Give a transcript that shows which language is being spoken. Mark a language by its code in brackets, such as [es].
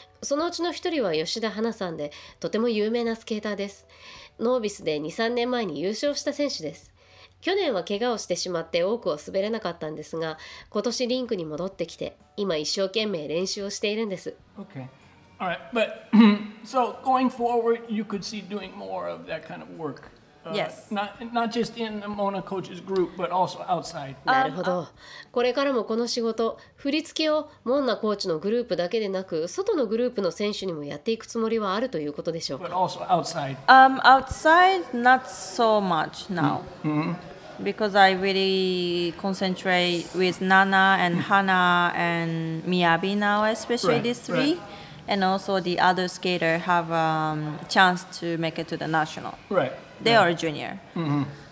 [ja] そのうちの1人は吉田花さんで、とても有名なスケーターです。ノービスで 2、3 年前に優勝した選手です。去年は怪我をしてしまって多くを滑れなかったんですが、今年リンクに戻ってきて今一生懸命練習をしているんです。 [en] OK. All right. But so going forward, you could see doing more of that kind of work. Yes. Not just in the Mona coaches group, but also outside. [ja] なるほど。これからもこの仕事、振り付けをモナコーチのグループだけでなく、外のグループの選手にもやっていくつもりはあるということでしょうか。 [en] But also outside. Outside, not so much now. Mm-hmm. Because I really concentrate with Nana and Hana and Miyabi now, especially right, these three. Right. And also the other skater have a chance to make it to the national. Right. They are junior. Mm-hmm.